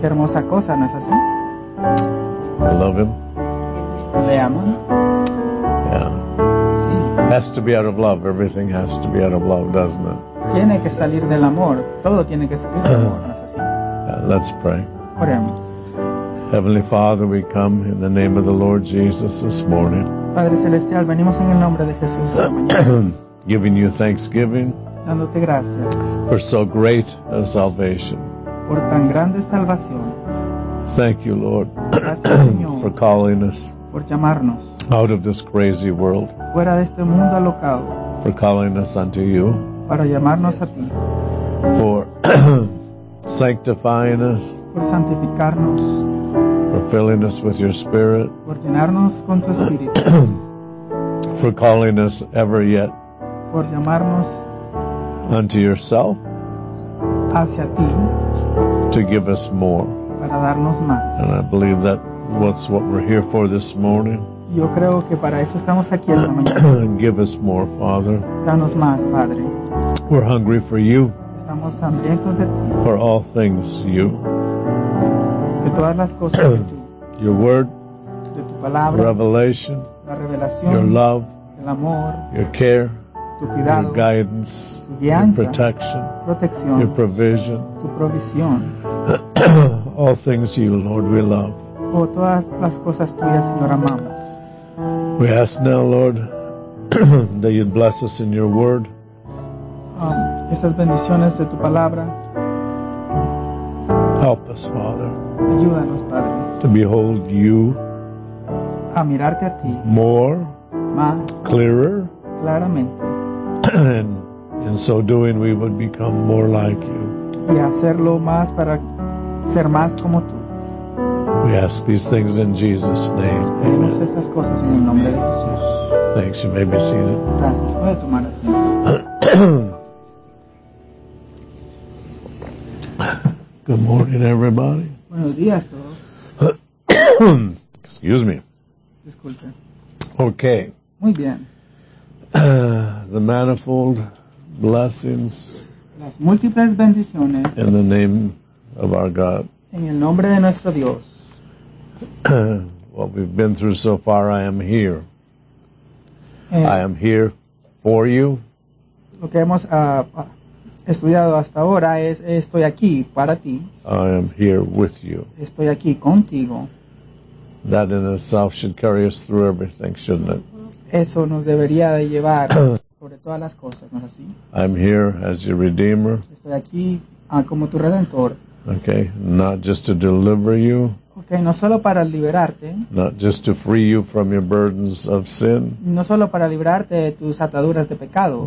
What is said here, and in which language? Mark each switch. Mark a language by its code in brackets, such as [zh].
[es] Qué hermosa cosa, ¿no es así? [en] I love Him. [es] Le amo. [en] Yeah. [es] Sí. [en] It has to be out of love. Everything has to be out of love, doesn't it? [es] Tiene que salir del amor. Todo tiene que salir del amor, ¿no es así? [en] Yeah, let's pray. [es] Oremos. [en] Heavenly Father, we come in the name of the Lord Jesus this morning. [es] Padre Celestial, venimos en el nombre de Jesús esta mañana. [en] Giving you thanksgiving. [es] Dándote gracias. [en] For so great a salvation. [es] Por tan grande salvación. [en] Thank you, Lord, for calling us [es] por llamarnos [en] out of this crazy world. [es] Fuera de este mundo alocado. [en] For calling us unto you. [es] Para llamarnos a ti. [en] For sanctifying us. [es] Por santificarnos. [en] For filling us with your spirit. [es] Por llenarnos con tu espíritu. [en] For calling us ever yet. [es] Por llamarnos [en] unto yourself. [es] Hacia ti. [en] To give us more. [es] Para darnos más. [en] And I believe that what's what we're here for this morning. [es] Yo creo que para eso estamos aquí esta mañana. [en] Give us more, Father. [es] Danos más, Padre. [en] We're hungry for you. [es] Estamos hambrientos de ti. [en] For all things you. [es] De todas las cosas de tú. [en] Your word. [es] De tu palabra. [en] Revelation. [es] La revelación. [en] Your love. [es] El amor. [en] Your care. [es] Tu cuidado. [en] Your guidance. [es] Tu guianza. [en] Your protection. [es] Protección. [en] Your provision. [es] Tu provisión. [en] All things you, Lord, we love. [es] Oh, todas las cosas tuyas, Señor, amamos. [en] We ask now, Lord, that you'd bless us in your word. [es] Estas bendiciones de tu palabra. [en] Help us, Father. [es] Ayúdanos, Padre. [en] To behold you. [es] A mirarte a ti. [en] More. [es] Más. [en] Clearer. [es] Claramente. [en] And in so doing, we would become more like you. [es] Y hacerlo más para ser más como tú. [en] We ask these things in Jesus' name. [es] Amen. Estas cosas en el nombre de Jesús. [en] Thanks, you may be seated. [es] Gracias. Puede tomar asiento. [en] Good morning, everybody. [es] Buenos días a todos. [en] Excuse me. [es] Disculpe. [en] Okay. [es] Muy bien. [en] The manifold blessings. [es] Las múltiples bendiciones. [en] In the name of our God. [es] En el nombre de nuestro Dios. [en] What we've been through so far, I am here. I am here for you. [es] Lo que hemos estudiado hasta ahora es estoy aquí para ti. [en] I am here with you. [es] Estoy aquí contigo. [en] That in itself should carry us through everything, shouldn't it? [es] Eso nos debería de llevar sobre todas las cosas, ¿no es así? [en] I'm here as your redeemer. [es] Estoy aquí como tu redentor. [en] Okay, not just to deliver you. [es] Okay, no solo para liberarte. [en] Not just to free you from your burdens of sin. [es] No solo para librarte de tus ataduras de pecado.